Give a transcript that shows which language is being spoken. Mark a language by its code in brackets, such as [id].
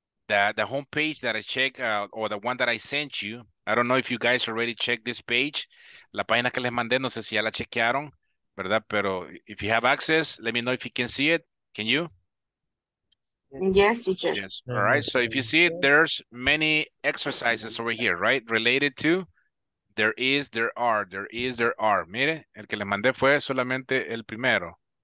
[en] the home page that I checked or the one that I sent you. I don't know if you guys already checked this page. [es] La página que les mandé, no sé si ya la chequearon, ¿verdad? [en] Pero if you have access, let me know if you can see it. Can you? Yes, teacher. Yes. All right. So if you see it, there's many exercises over here, right? Related to there is, there are, there is, there are. [es] Mire, el que les mandé fue solamente el primero.